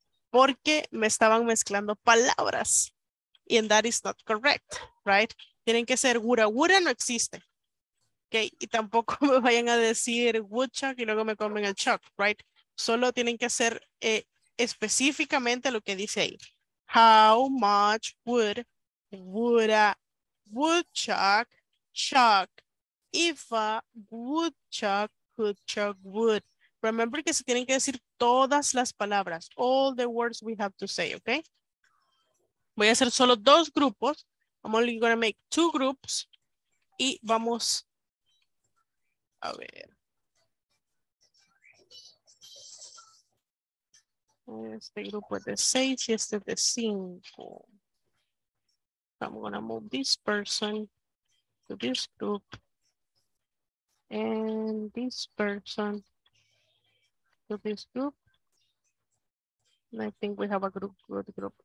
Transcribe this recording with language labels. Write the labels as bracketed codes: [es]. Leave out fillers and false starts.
[es] Porque me estaban mezclando palabras. [en] And that is not correct, right? [es] Tienen que ser wura wura, no existe. Okay, y tampoco me vayan a decir woodchuck y luego me comen el chuck, right? Solo tienen que hacer específicamente lo que dice ahí. [en] How much would a woodchuck chuck if a woodchuck could chuck wood? [es] Remember que se tienen que decir todas las palabras, [en] all the words we have to say, [es] okay? Voy a hacer solo dos grupos. [en] I'm only gonna make 2 groups [es] y vamos a ver. Este grupo es de 6 y este es de 5. [en] I'm gonna move this person to this group. And this person to this group. And I think we have a good group.